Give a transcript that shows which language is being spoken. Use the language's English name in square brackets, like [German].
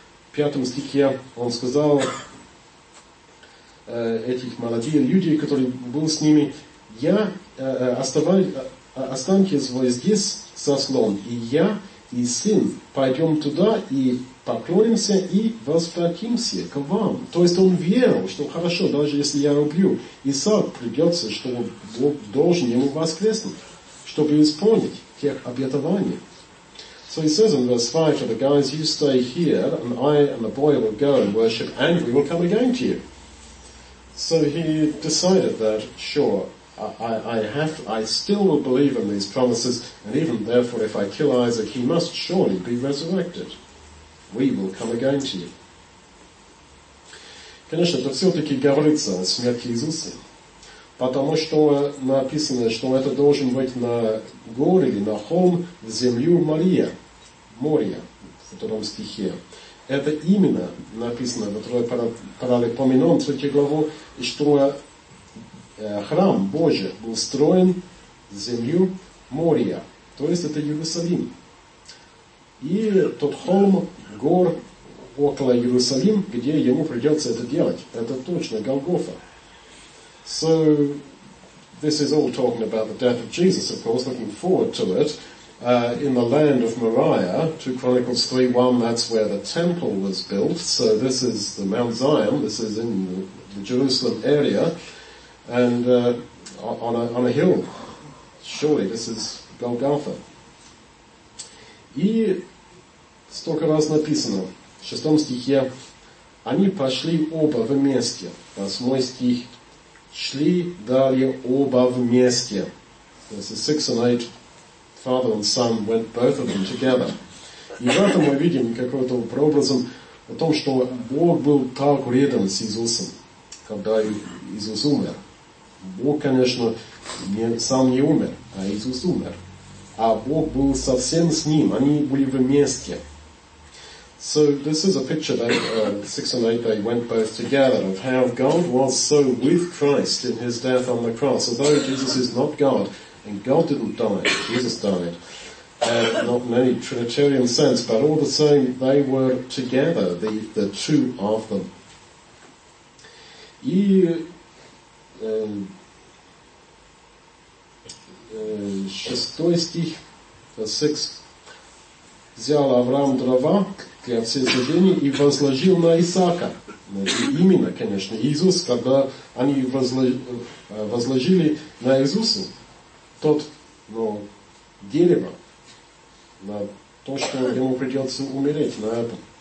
[Russian] В пятом стихе он сказал этих молодых людей, которые были с ними, я останусь здесь со слоном, и я и сын пойдем туда и поклонимся и возвратимся к вам. То есть он верил, что хорошо, даже если я убью, Исаак придется, что Бог должен ему воскреснуть, чтобы исполнить тех обетований. [English] So he says in verse 5 to the guys, you stay here, and I and the boy will go and worship, and we will come again to you. So he decided that, sure, I still will believe in these promises, and even therefore if I kill Isaac, he must surely be resurrected. We will come again to you. [Russian] Конечно, это все-таки говорится о смерти Иисуса. Потому что написано, что это должен быть на горе или на холм в землю Мария. Мория в втором стихе. Это именно написано в Второй Паралипоменон, 3 главу, что храм Божий был строен в землю Мория. То есть это Иерусалим. И тот холм, гор около Иерусалим, где ему придется это делать. Это точно Голгофа. [English] So, this is all talking about the death of Jesus, of course, looking forward to it. In the land of Moriah, 2 Chronicles 3:1, that's where the temple was built. So this is the Mount Zion, this is in the Jerusalem area, and on a hill. Surely this is Golgotha. [Russian] И столько раз написано, в 6 стихе, они пошли оба вместе, 8 стих, шли далее оба вместе. [English] This is 6 and 8. Father and son went both of them together. [Russian] И в этом мы видим какой-то прообразом о том, что Бог был так рядом с Иисусом, когда Иисус умер. Бог, конечно, сам не умер, а Иисус умер. А Бог был совсем с ним, они были вместе. [English] So this is a picture that 6 and 8, they went both together, of how God was so with Christ in his death on the cross. Although Jesus is not God, and God didn't die, Jesus died. Not in any Trinitarian sense, but all the same, they were together, the two of them. [Russian] И 6 стих, 6, взял Авраам дрова для всесожжения и возложил на Исаака. Именно, конечно, Иисус, когда они возложили на Иисуса, тот, ну, дерево, на то, что ему придется умереть на этом.